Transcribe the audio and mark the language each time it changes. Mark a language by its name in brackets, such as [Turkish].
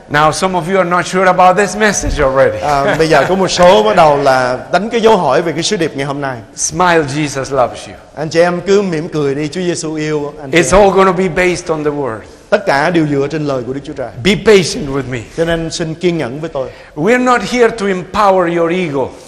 [English] Now some of you are not sure about this message already. [Vietnamese] Bây giờ có một số bắt đầu là đánh cái dấu hỏi về cái sứ điệp ngày hôm nay. [English] Smile, Jesus loves you. [Vietnamese] Anh chị em cứ mỉm cười đi, Chúa Giêsu yêu anh. [English] It's all gonna be based on the word. [Vietnamese] Tất cả đều dựa trên lời của Đức Chúa Trời. [English] Be patient with me. [Vietnamese] Cho nên xin kiên nhẫn với tôi. [English] We are not here to empower your ego.